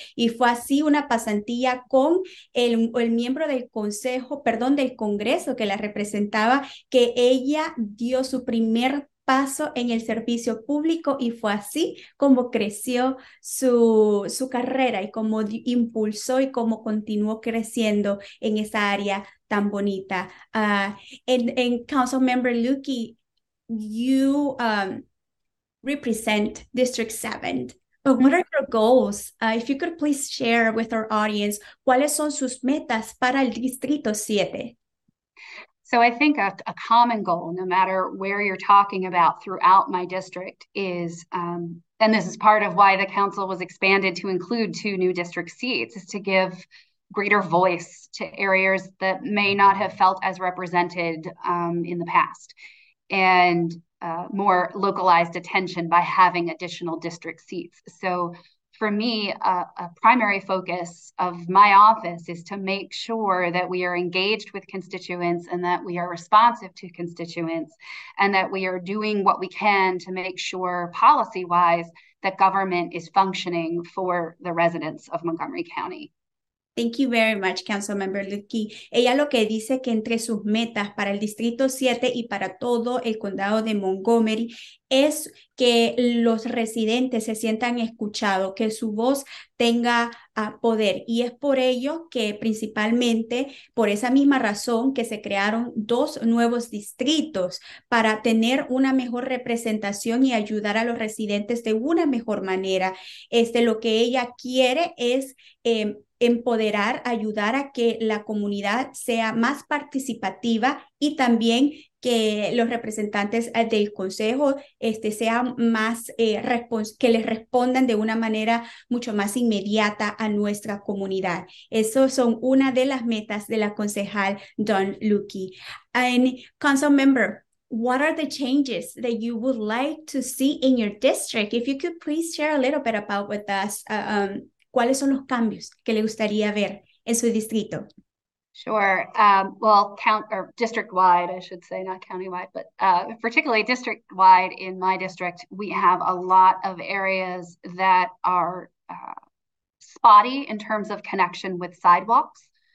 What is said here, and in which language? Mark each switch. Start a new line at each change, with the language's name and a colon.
Spanish: Y fue así una pasantía con el miembro del consejo, perdón, del congreso que la representaba, que ella dio su primer paso en el servicio público y fue así como creció su carrera y como impulsó y como continuó creciendo en esa área tan bonita.
English: And Councilmember Luedtke, you represent District 7, but what are your goals? If you could please share with our audience,
Spanish: ¿cuáles son sus metas para el Distrito 7?
English: So I think a common goal, no matter where you're talking about throughout my district, is, and this is part of why the council was expanded to include two new district seats, is to give greater voice to areas that may not have felt as represented in the past, and more localized attention by having additional district seats. So for me, a primary focus of my office is to make sure that we are engaged with constituents and that we are responsive to constituents and that we are doing what we can to make sure policy-wise that government is functioning for the residents of Montgomery County. Thank you very much, Councilmember Luedtke.
Spanish: Ella lo que dice que entre sus metas para el Distrito 7 y para todo el condado de Montgomery es que los residentes se sientan escuchados, que su voz tenga poder. Y es por ello que principalmente, por esa misma razón, que se crearon dos nuevos distritos para tener una mejor representación y ayudar a los residentes de una mejor manera. Lo que ella quiere es empoderar, ayudar a que la comunidad sea más participativa y también que los representantes del consejo sean más que les respondan de una manera mucho más inmediata a nuestra comunidad. Esas son una de las metas de la concejal Dawn Luedtke.
English: And council member, what are the changes that you would like to see in your district? If you could please share a little bit about with us,
Spanish: ¿cuáles son los cambios que le gustaría ver en su distrito?
English: Sure. District-wide, I should say, not county-wide, but particularly district-wide in my district, we have a lot of areas that are spotty in terms of connection with sidewalks.